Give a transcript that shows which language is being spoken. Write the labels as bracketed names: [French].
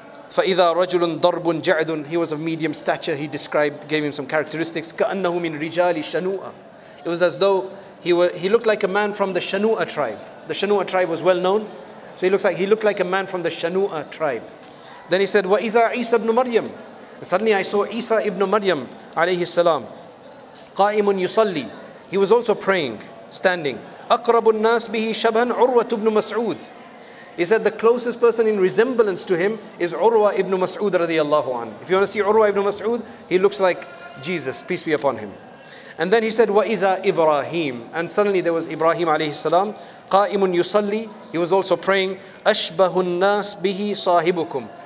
[Arabic] فَإِذَا رَجُلٌ ضَرْبٌ جَعْدٌ. [English] He was of medium stature, he described, gave him some characteristics. [Arabic] كَأَنَّهُ مِنْ رِجَالِ شَنُوءَ. [English] It was as though he looked like a man from the Shanu'a tribe. The Shanu'a tribe was well known. So he looked like a man from the Shanu'a tribe. Then he said, [Arabic] وَإِذَا عِيسَى ابْنُ مَرْيَمْ. [English] And suddenly I saw Isa ibn Maryam alayhi salam. [Arabic] قَائِمٌ يُصَلِّي. [English] He was also praying, standing. [Arabic] أَقْرَبُ النَّاسِ بِهِ شَبْهًا عُرْوَةُ ابْنُ مَسْعُودِ. [English] He said the closest person in resemblance to him is Urwa ibn Mas'ud radiallahu anhu. If you want to see Urwa ibn Mas'ud, he looks like Jesus, peace be upon him. And then he said, [Arabic] وَإِذَا إِبْرَاهِيمُ. [English] And suddenly there was Ibrahim alayhi salam. [Arabic] قَائِمٌ يُصَلِّي. [English] He was also praying. [Arabic] أَشْبَهُ النَّاسِ بِهِ صَاحِبُكُمْ.